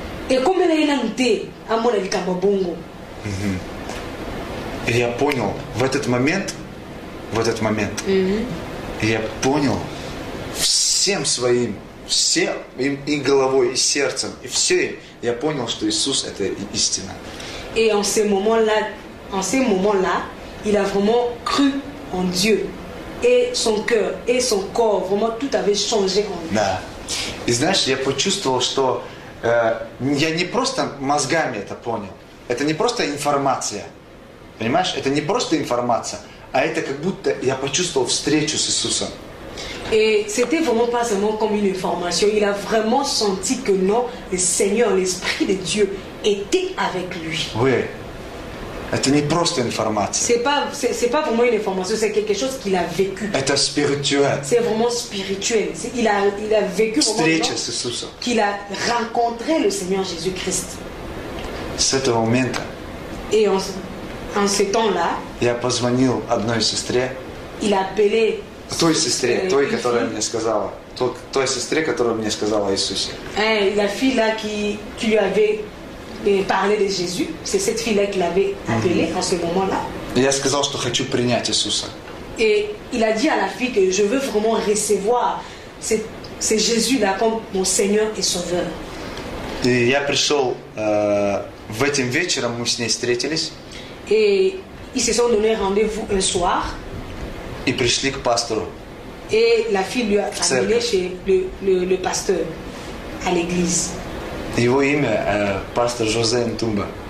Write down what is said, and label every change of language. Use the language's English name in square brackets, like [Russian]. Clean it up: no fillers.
[French] Et comme elle a été à mon avis, comme bon goût. Et j'ai [Russian] понял, в этот момент, я понял всем своим, всем и головой, и сердцем, и все, я понял, что Иисус – это истина. [French] Et en ce moment-là, il a vraiment cru en Dieu. Et son cœur, et son corps, vraiment tout avait changé en lui. [Russian] Да. И знаешь, я почувствовал, что я не просто мозгами это понял. Это не просто информация. Понимаешь? Это не просто информация, а это как будто я почувствовал встречу с Иисусом. [French] Et c'était vraiment pas seulement comme une information. Il a vraiment senti que non, le Seigneur, l'Esprit de Dieu était avec lui. Oui. [Russian] Это не просто информация. [French] C'est pas vraiment une information, c'est quelque chose qu'il a vécu. [Russian] Это spirituel. [French] C'est vraiment spirituel. Il a vécu [Russian] встреча с Иисусом. [French] Qu'il a rencontré le Seigneur Jésus-Christ. [Russian] С этого момента. [French] Et en ce temps-là. [Russian] Я позвонил одной сестре. [French] Il a appelé. [Russian] Той сестре, той, которая мне сказала. Той сестре, которая мне сказала Иисусе. [French] La fille là qui lui avait parler de Jésus, c'est cette fille-là qui l'avait appelée en ce moment-là. [Russian] Я сказал, что хочу принять Иисуса. [French] Et il a dit à la fille que je veux vraiment recevoir ce Jésus-là comme mon Seigneur et Sauveur. [Russian] Et я пришел в этим вечером, мы с ней встретились. [French] Et ils se sont donné rendez-vous un soir. [Russian] Et пришли к пастору. [French] Et la fille lui a amené chez le pasteur à l'église. [Russian] Его имя пастор Жозе Нтумба.